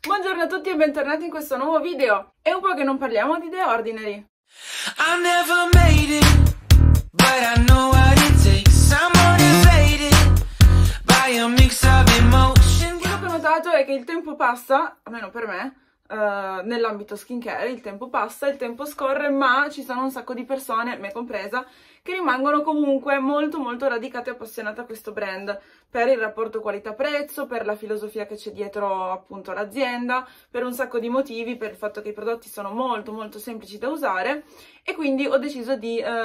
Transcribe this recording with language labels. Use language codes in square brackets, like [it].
[it] Buongiorno a tutti e bentornati in questo nuovo video. È un po' che non parliamo di The Ordinary. [en] I never made it, but I know what it takes. Someone invaded by a mix of emotion. [it] Quello che ho notato è che il tempo passa, almeno per me, nell'ambito skincare, il tempo passa, il tempo scorre, ma ci sono un sacco di persone, me compresa, che rimangono comunque molto molto radicate e appassionate a questo brand per il rapporto qualità-prezzo, per la filosofia che c'è dietro appunto l'azienda, per un sacco di motivi, per il fatto che i prodotti sono molto molto semplici da usare e quindi ho deciso di